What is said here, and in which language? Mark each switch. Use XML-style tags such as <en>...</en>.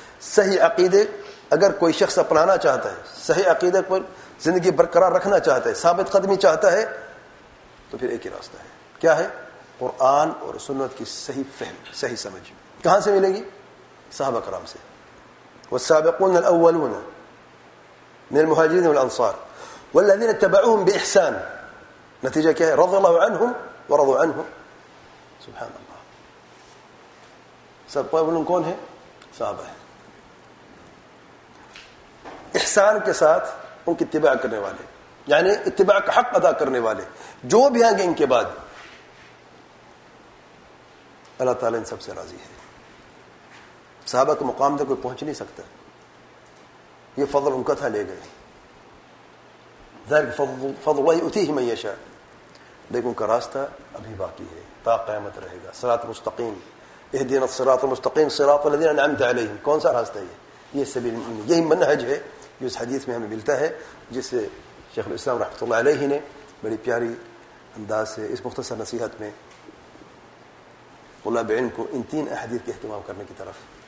<ur>صحیح عقیدے اگر کوئی شخص اپنانا چاہتا ہے, صحیح عقیدے پر زندگی برقرار رکھنا چاہتا ہے, ثابت قدمی چاہتا ہے, تو پھر ایک ہی راستہ ہے. کیا ہے؟ قرآن اور سنت کی صحیح فہم, صحیح سمجھ. کہاں سے ملے گی؟ صحابہ کرام سے.</ur> <ar>والسابقون الاولون من المهاجرين والانصار والذين تبعوهم باحسان.</ar> <ur>نتیجہ کیا ہے؟</ur> <ar>رضی اللہ عنہم ورضوا عنہ.</ar> <ur>سبحان اللہ. سب قبلوں کون ہے؟ صحابہ ہیں. احسان کے ساتھ ان کی اتباع کرنے والے, یعنی اتباع کا حق ادا کرنے والے جو بھی آئیں گے ان کے بعد, اللہ تعالیٰ ان سب سے راضی ہے. صحابہ کے مقام تک کوئی پہنچ نہیں سکتا, یہ فضل ان کا تھا, لے گئے.</ur> <ar>ذلك فضل الله يؤتيه من يشاء.</ar> <ur>لیکن ان کا راستہ ابھی باقی ہے, تا قیامت رہے گا. صراط مستقیم,</ur> <ar>اهدنا الصراط المستقیم صراط الذين انعمت عليهم.</ar> <ur>کون سا راستہ ہے؟ یہ سبیل, یہی منہج ہے جو اس حدیث میں ہمیں ملتا ہے, جسے شیخ الاسلام رحمۃ اللہ علیہ نے بڑی پیاری انداز سے اس مختصر نصیحت میں طلاب علم کو ان تین احادیث کے اہتمام کرنے کی طرف</ur>